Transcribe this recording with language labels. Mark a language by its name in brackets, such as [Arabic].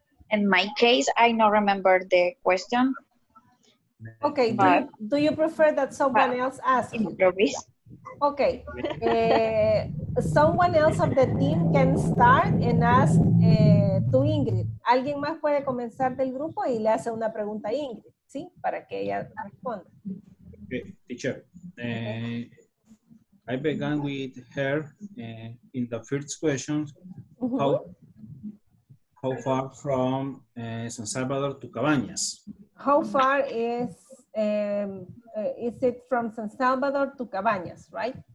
[English] In my case, I don't remember the question. Okay, but do you prefer that someone else ask? Improvise. Okay, someone else of the team can start and ask to Ingrid. [Spanish] Alguien más puede comenzar del grupo y le hace una pregunta a Ingrid, ¿sí? Para que ella responda. [English] Okay, teacher, I began with her in the first question. Mm-hmm. How far from San Salvador to Cabañas? How far is it from San Salvador to Cabañas, right?